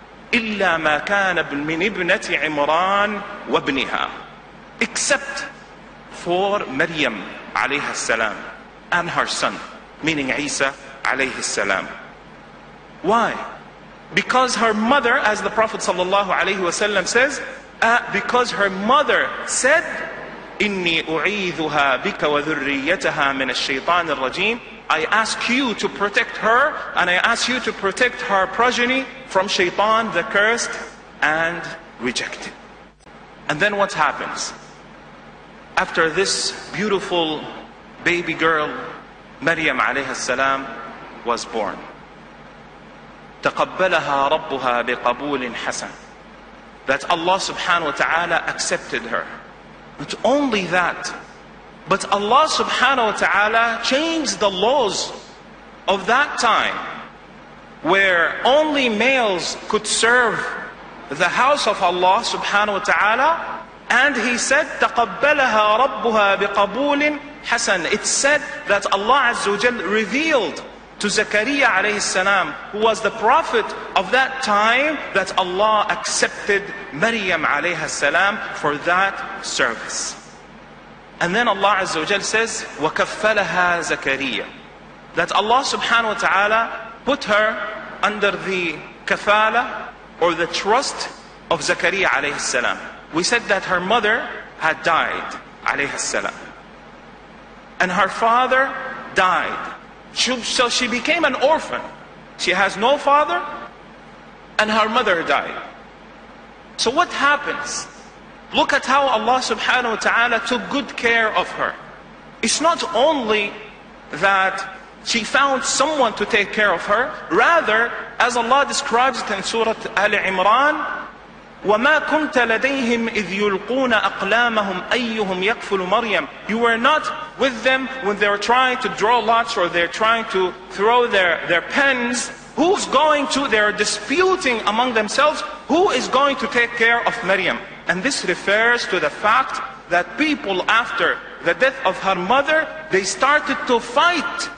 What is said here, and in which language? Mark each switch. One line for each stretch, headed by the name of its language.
Arabic: إِلَّا مَا كَانَ مِّن ابْنَةِ عِمْرَانِ وَابْنِهَا,
English: except for Maryam alayha salam and her son, meaning Isa alayhi salam. Why? Because her mother, as the Prophet sallallahu alayhi wa sallam says, because her mother said,
Arabic: إني أعيذها بك وذريتها من الشيطان الرجيم.
English: I ask you to protect her and I ask you to protect her progeny from Shaitan the cursed and rejected. And then what happens? After this beautiful baby girl, Maryam عليه السلام, was born.
Arabic: تقبلها ربها بقبول حسن.
English: That Allah subhanahu wa ta'ala accepted her. Not only that, but Allah subhanahu wa ta'ala changed the laws of that time where only males could serve the house of Allah subhanahu wa ta'ala. And he said,
Arabic: تَقَبَّلَهَا رَبُّهَا بِقَبُولٍ حَسَنٍ.
English: It said that Allah Azza wa Jal revealed to Zakariya alayhi salam, who was the prophet of that time, that Allah accepted Maryam alayhi salam for that service. And then Allah Azza wa Jal says,
Arabic: وَكَفَّلَهَا زَكَرِيَّا.
English: That Allah subhanahu wa ta'ala put her under the kafala or the trust of Zakariya alayhi salam. We said that her mother had died, alayhi salam. And her father died. So she became an orphan. She has no father and her mother died. So what happens? Look at how Allah subhanahu wa ta'ala took good care of her. It's not only that she found someone to take care of her. Rather, as Allah describes it in Surah Al-Imran,
Arabic: وَمَا كُنْتَ لَدَيْهِمْ إِذْ يُلْقُونَ أَقْلَامَهُمْ أَيُّهُمْ يَكْفُلُ مَرْيَمُ.
English: You were not with them when they were trying to draw lots or they're trying to throw their pens. Who's going to? They're disputing among themselves. Who is going to take care of Maryam? And this refers to the fact that people after the death of her mother, they started to fight.